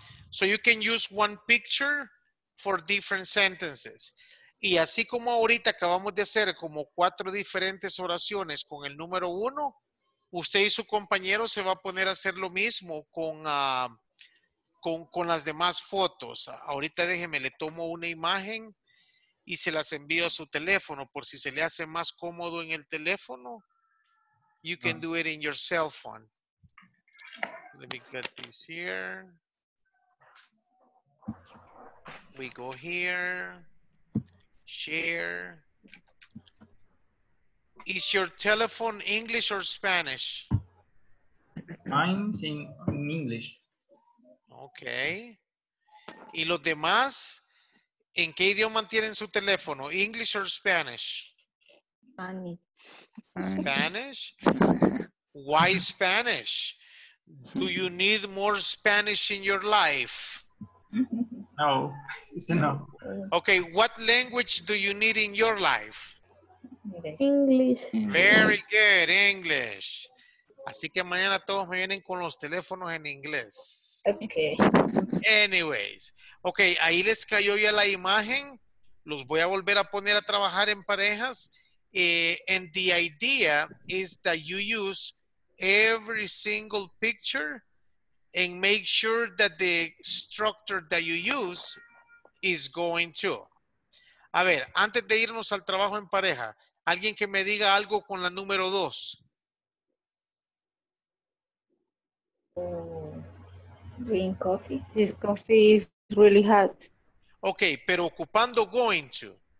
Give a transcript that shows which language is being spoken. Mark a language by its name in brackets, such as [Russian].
[English] So you can use one picture for different sentences. [Spanish] Y así como ahorita acabamos de hacer como cuatro diferentes oraciones con el número uno, usted y su compañero se va a poner a hacer lo mismo con las demás fotos. Ahorita déjeme, le tomo una imagen y se las envío a su teléfono por si se le hace más cómodo en el teléfono. [English] You can do it in your cell phone. Let me get this here. We go here. Share. Is your telephone English or Spanish? Mine's in English. [Spanish] Okay. ¿Y los demás? ¿En qué idioma tienen su teléfono? [English] ¿English or Spanish? Spanish. Spanish? Why Spanish? Do you need more Spanish in your life? No, it's enough. Okay, what language do you need in your life? English. Very good, English. [Spanish] Así que mañana todos me vienen con los teléfonos en inglés. Okay. Anyways. Okay, ahí les cayó ya la imagen. Los voy a volver a poner a trabajar en parejas. [English] And the idea is that you use every single picture and make sure that the structure that you use is going to. [Spanish] A ver, antes de irnos al trabajo en pareja, alguien que me diga algo con la número dos. [English] Green coffee. This coffee is really hot. [Spanish] Okay, pero ocupando going to.